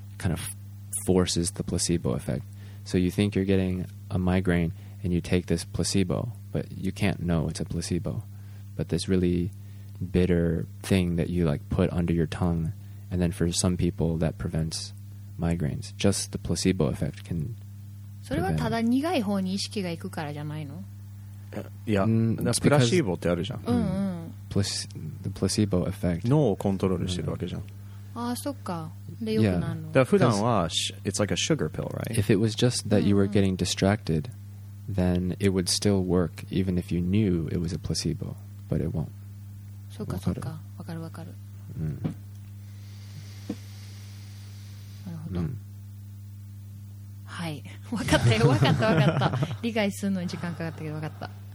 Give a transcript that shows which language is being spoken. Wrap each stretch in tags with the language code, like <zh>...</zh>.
<en>Kind of... forces the placebo effect. So you think you're getting a migraine and you take this placebo, but you can't know it's a placebo. But this really bitter thing that you like put under your tongue, and then for some people that prevents migraines. Just the placebo effect can prevent.</en> <ja>それはただ苦い方に意識が行くからじゃないの?</ja> <en>Yeah, that's</en> <ja>プラシーボってあるじゃん。</ja> <en>The placebo effect.</en> <ja>脳をコントロールしてるわけじゃん。ああ、そっか。Yeah. だ普段は</ja> <en>it's like a sugar pill, right? If it was just that you were getting distracted, then it would still work even if you knew it was a placebo, but it won't.</en> <ja>そうかそうか、わかるわかる。なるほど。はい、わかったよ、わかったわかった。理解するのに時間かかったけどわかった。</ja>